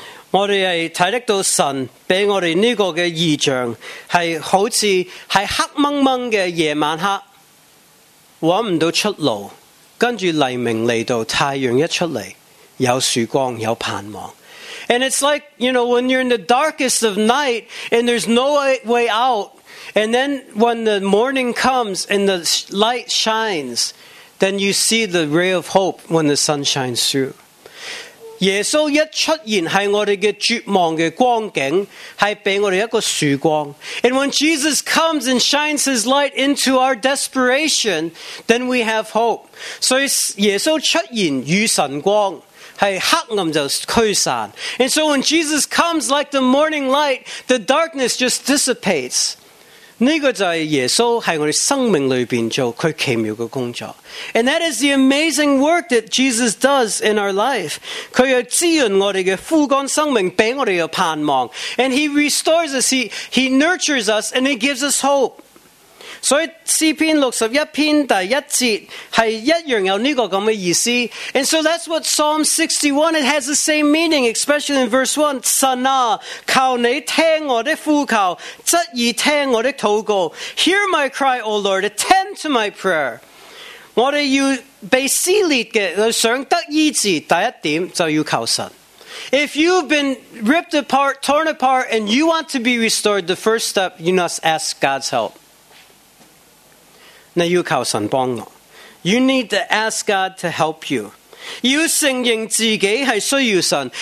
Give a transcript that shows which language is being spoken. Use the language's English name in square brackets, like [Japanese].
[Chinese] 我们是看得到神给我们这个的异象，是好像是黑蒙蒙的夜晚黑，找不到出路，跟着黎明来到，太阳一出来，有曙光，有盼望。 [English] And it's like, you know, when you're in the darkest of night, and there's no way out, and then when the morning comes, and the light shines,Then you see the ray of hope when the sun shines through. [Chinese] 耶稣一出现是我们的绝望的光景，是给我们一个曙光。 [English] And when Jesus comes and shines his light into our desperation, then we have hope. [Chinese] 所以耶稣出现与神光，是黑暗就驱散。 [English] And so when Jesus comes like the morning light, the darkness just dissipates. [Chinese] 这个就是耶稣在我们生命里面做他奇妙的工作。 [English] And that is the amazing work that Jesus does in our life. [Chinese] 他要滋润我们的枯干生命，给我们有盼望。 [English] And he restores us, he nurtures us, and he gives us hope. [Chinese] 所以诗篇61篇第一节是一样有这个这样的意思。 [English] And so that's what Psalm 61, it has the same meaning, especially in verse 1. [Chinese] 神啊，求你听我的呼求，侧耳听我的祷告。 [English] Hear my cry, O Lord, attend to my prayer. [Chinese] 我们要被撕裂的，想得医治，第一点就要求神。 [English] If you've been ripped apart, torn apart, and you want to be restored, the first step, you must ask God's help. [Chinese] 你要求神帮我。 [English] You need to ask God to help you. [Chinese] 要承认自己是需要神。